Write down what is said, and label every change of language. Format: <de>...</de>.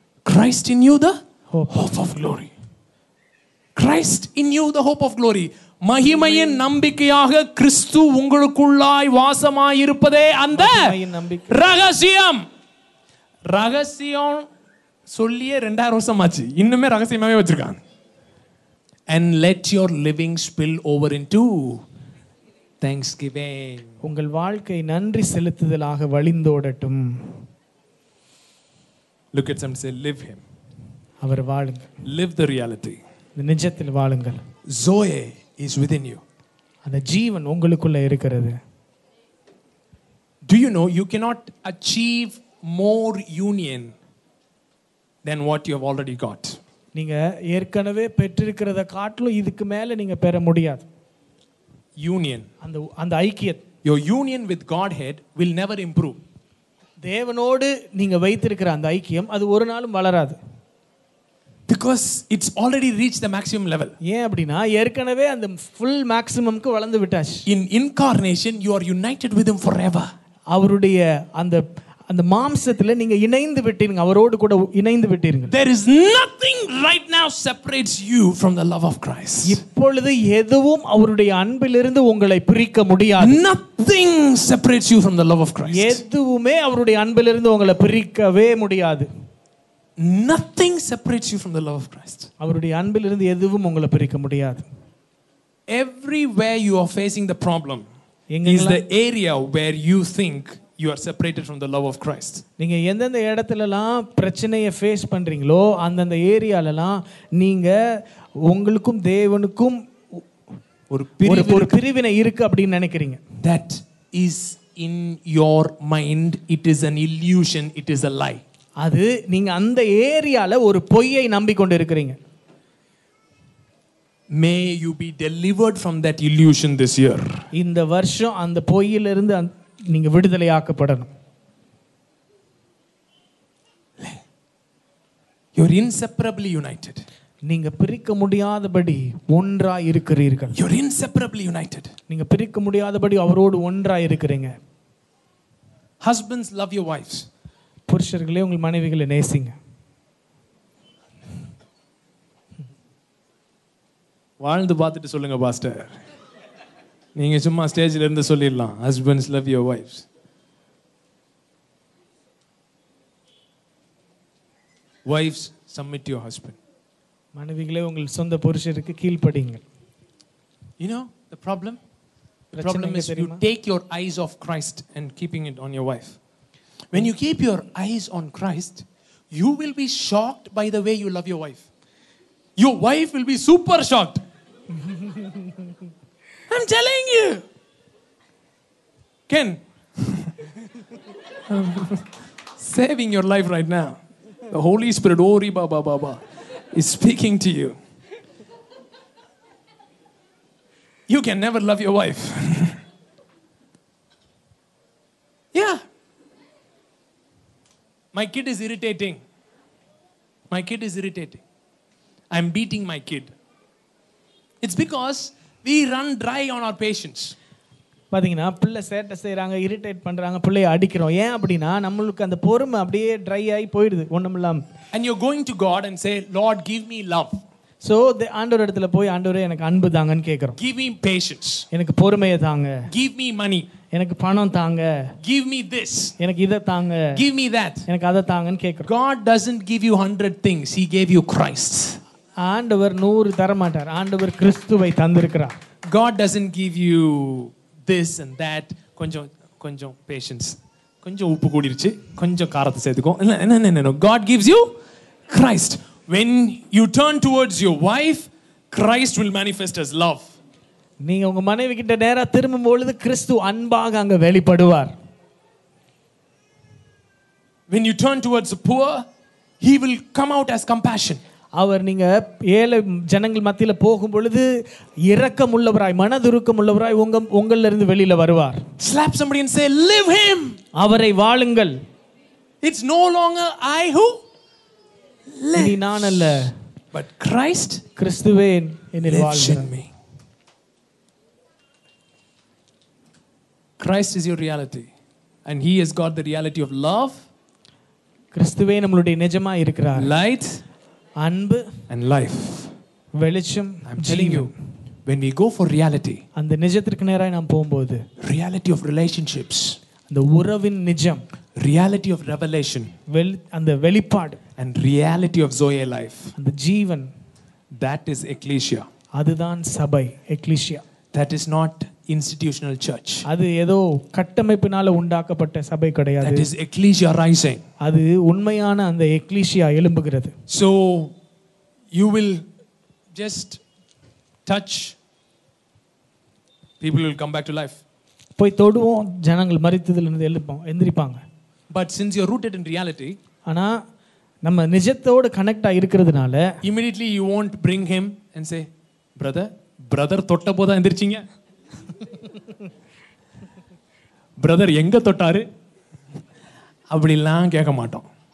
<en>Christ in you the hope of glory. Christ in you the hope of glory.</en> <ta>மகிமையின் நம்பிக்கையாக கிறிஸ்து உங்களுக்குள்ளாய் வாசமாயிருப்பதே அந்த ரகசியம். ரகசியம் சொல்லியே 2000 வருஷம் ஆச்சு, இன்னுமே ரகசியமாவே வச்சிருக்காங்க.</ta> <en>And let your living spill over into thanksgiving.</en> <ta>உங்கள் வாழ்க்கை நன்றி செலுத்துதலாக வழிந்தோடட்டும்.</ta> <en>Look at someone, say, live him.</en> <ta>அவர் வாழுங்க.</ta> <en>Live the reality.</en> <ta>நிஜத்தில் வாழுங்கள்.</ta> <en>Zoe is within you.</en> <ta>அந்த ஜீவன் உங்களுக்குள்ள இருக்கிறது.</ta> <en>Do you know you cannot achieve more union than what you have already got?</en> <ta>நீங்க ஏற்கனவே பெற்றிருக்கிறத காட்டிலும் இதுக்கு மேல நீங்க பெற முடியாது.</ta> <en>Union.</en> <ta>அந்த ஐக்கியத்தை.</ta> <en>Your union with Godhead will never improve.</en> <ta>தேவனோடு நீங்க வைத்திருக்கிற அந்த ஐக்கியம் அது ஒரு நாளும் வளராது.</ta> <en>Because it's already reached the maximum level.</en> <ta>ஏன் அப்படினா ஏற்கனவே அந்த full maximumக்கு வளர்ந்து விட்டாச்சு.</ta> <en>In incarnation you are united with him forever.</en> <ta>அவருடைய அந்த மாம்சத்துல நீங்க இணைந்து விட்டீங்க, அவரோடு கூட இணைந்து விட்டீங்க.</ta> <en>There is nothing right now separates you from the love of Christ.</en> <ta>இப்பொழுது எதுவும் அவருடைய அன்பிலிருந்து உங்களை பிரிக்க முடியாது.</ta> <en>Nothing separates you from the love of Christ.</en> <ta>எதுவுமே அவருடைய அன்பிலிருந்து உங்களை பிரிக்கவே முடியாது.</ta> <en>Nothing separates you from the love of Christ.</en> <ta>அவருடைய அன்பிலிருந்து எதுவும் உங்களை பிரிக்க முடியாது.</ta> <en>Everywhere you are facing the problem is the area where you think you are separated from the love of Christ.</en> <ta>நீங்க எந்தெந்த இடத்துலலாம் பிரச்சனையை ஃபேஸ் பண்றீங்களோ அந்தந்த ஏரியாலலாம் நீங்க உங்களுக்கும் தேவனுக்கும் ஒரு பிரிவினை இருக்கு அப்படி நினைக்கிறீங்க.</ta> <en>That is in your mind, it is an illusion, it is a lie.</en> <ta>அது நீங்க அந்த ஏரியால ஒரு பொய்யை நம்பிக்கொண்டிருக்கிறீங்க.</ta> <en>May you be delivered from that illusion this year.</en> <ta>இந்த வருஷம் அந்த பொய்யிலிருந்து நீங்க விடுதலை ஆக்கப்படணும்.</ta> <en>You are inseparably united.</en> <ta>நீங்க பிரிக்க முடியாதபடி ஒன்றா இருக்கிறீர்கள்.</ta> <en>You are inseparably united.</en> <ta>நீங்க பிரிக்க முடியாதபடி அவரோடு ஒன்றா இருக்கிறீங்க.</ta> <en>Husbands love your wives.</en> <ta>புருஷர்களே உங்கள் மனைவிகளை நேசிங்க. வாழ்ந்து பார்த்துட்டு சொல்லுங்க பாஸ்டர். நீங்க சும்மா ஸ்டேஜில் இருந்து சொல்லிடலாம்,</ta> <en>Husbands love your wives. Wives submit your husband.</en> <ta>மனைவிகளே உங்கள் சொந்த புருஷருக்கு கீழ்ப்படிங்க.</ta> <en>You know the problem? The problem is you take your eyes off Christ and keeping it on your wife. When you keep your eyes on Christ, you will be shocked by the way you love your wife. Your wife will be super shocked. I'm telling you. Ken. saving your life right now. The Holy Spirit, Ori Baba Baba, is speaking to you. You can never love your wife. yeah. My kid is irritating. My kid is irritating. I'm beating my kid. It's because we run dry on our patience.</en> <ta>பாத்தீங்களா, பிள்ளை சேட்டை செய்றாங்க, irritate பண்றாங்க, பிள்ளைய அடிக்கிறோம். ஏன் அப்படின்னா நம்மளுக்கு அந்த பொறுமை அப்படியே ட்ரை ஆகி போயிடுது ஒண்ணுமில்லாம.</ta> <en>And you're going to God and say, Lord, give me love. So the</en> <ta>ஆண்டவர் இடத்துல போய் ஆண்டவரே எனக்கு அன்பு தாங்கன்னு கேக்குறோம்.</ta> <en>Give me patience.</en> <ta>எனக்கு பொறுமையை தாங்க.</ta> <en>Give me money.</en> <ta>எனக்கு பணம் தாங்க.</ta> <en>Give me this.</en> <ta>எனக்கு இத தாங்க.</ta> <en>Give me that.</en> <ta>எனக்கு அத தாங்கன்னு கேக்குறோம்.</ta> <en>God doesn't give you 100 things. He gave you Christ.</en> <ta>ஆண்டவர் 100 தர மாட்டார். ஆண்டவர் கிறிஸ்துவை தந்திருக்கிறார்.</ta> <en>God doesn't give you this and that.</en> <ta>கொஞ்சம் கொஞ்சம்</ta> <en>patience.</en> <ta>கொஞ்சம் உப்பு கூடிருச்சு, கொஞ்சம் காரத்தை சேர்த்துக்கோ. இல்ல என்ன என்ன,</ta> <en>God gives you Christ. When you turn towards your wife, Christ will manifest as love.</en> <ta>நீங்க உங்க மனைவி கிட்ட நேரா திரும்பும் பொழுது கிறிஸ்து அன்பாக அங்க வெளிப்படுவார்.</ta> <en>When you turn towards the poor, he will come out as compassion.</en> <ta>அவர் நீங்க ஏழை ஜனங்கள் மத்தியில போகும் பொழுது இரக்கம் உள்ளவராய், மனதுருக்கம் உள்ளவராய் உங்கள இருந்து வெளியில வருவார்.</ta> <en>Slap somebody and say, live him.</en> <ta>அவரை வாழுங்கள்.</ta> <en>It's no longer I who live.</en> <ta>நீ நான் அல்ல,</ta> <en>but Christ,</en> <ta>கிறிஸ்துவே என்னில் வாழ்கிறார்.</ta> <en>Christ is your reality and he has got the reality of love.</en> <ta>கிறிஸ்துவே நம்மளுடைய நிஜமா இருக்கிறார்.</ta> <en>Light,</en> <ta>அன்பு,</ta> <en>and life.</en> <ta>வெளிச்சம்,</ta> <en>I'm telling you, when we go for reality,</en> <ta>அந்த நிஜத்திற்கு நேராய் நாம் போகும்போது,</ta> <en>reality of relationships,</en> <ta>அந்த உறவின் நிஜம்,</ta> <en>reality of revelation,</en> <ta>அந்த வெளிப்பாடு,</ta> <en>and reality of Zoe life,</en> <ta>அந்த ஜீவன்,</ta> <en>that is ecclesia.</en> <ta>அதுதான் சபை, ecclesia.</ta> <en>That is not institutional church.</en> <ta>அது ஏதோ கட்டமைப்பினால உண்டாக்கப்பட்ட சபை கிடையாது.</ta> <en>That is ecclesia rising.</en> <ta>அது உண்மையான அந்த ecclesia எழும்புகிறது.</ta> <en>So you will just touch, people will come back to life.</en> <ta>போய் தொடுவோம், ஜனங்கள் மரித்ததிலிருந்து எழுப்போம், எந்திரிப்பாங்க.</ta> <en>But since you are rooted in reality,</en> <ta>ஆனா நம்ம நிஜத்தோடு connect ஆயிருக்கிறதுனால,</ta> <en>immediately you won't bring him and say, brother, brother</en> <ta>தொட்ட போதா எந்திரிச்சீங்க, brother எங்க தொட்டாரு, அப்படிலாம் கேட்க மாட்டோம்.</ta>